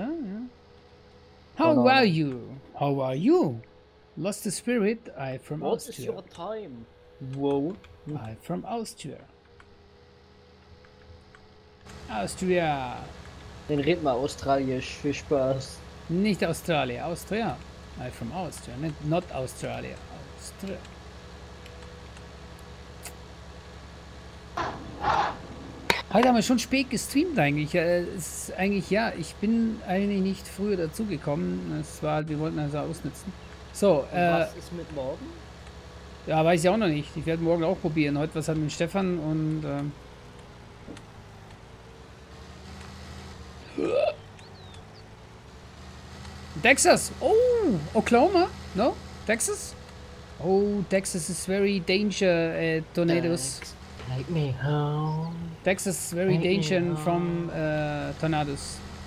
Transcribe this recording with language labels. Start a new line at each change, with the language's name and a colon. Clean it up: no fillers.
English: Ja. How are you? How are you? Lost the spirit, I from what Austria. What is your time? Whoa. I from Austria. Austria.
German: Den red mal australisch, viel Spaß. Nicht Australien, Austria. I from Austria, not Australia. Austria. Heute haben wir schon spät gestreamt eigentlich. Ich bin eigentlich nicht früher dazugekommen. Es war, wir wollten also ausnutzen. So, was ist mit morgen? Ja, weiß ich auch noch nicht. Ich werde morgen auch probieren. Heute was haben wir mit Stefan und Texas!
English: Oh! Oklahoma? No? Texas? Oh, Texas is very danger, tornadoes. Take me home. Texas is very dangerous from tornadoes.